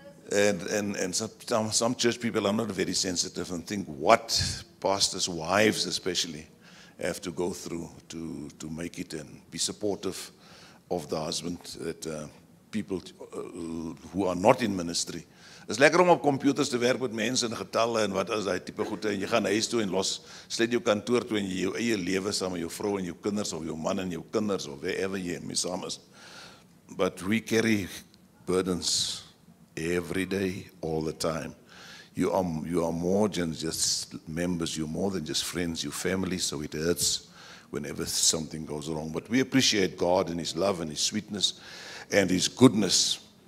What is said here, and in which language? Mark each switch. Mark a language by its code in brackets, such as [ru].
[en] And some church people are not very sensitive and think what pastors' wives especially have to go through to make it and be supportive of the husband that people who are not in ministry. [af] Is lekker om op computers te werk met mense en getalle en wat is die type goede en jy gaan huis toe en los, sluit jou kantoor toe en jy jou eie lewe saam met jou vrou en jou kinders of jou man en jou kinders of wherever jy mee saam is. [en] But we carry burdens every day, all the time. You are more than just members, you're more than just friends, you're family, so it hurts whenever something goes wrong. But we appreciate God and His love and His sweetness and His goodness.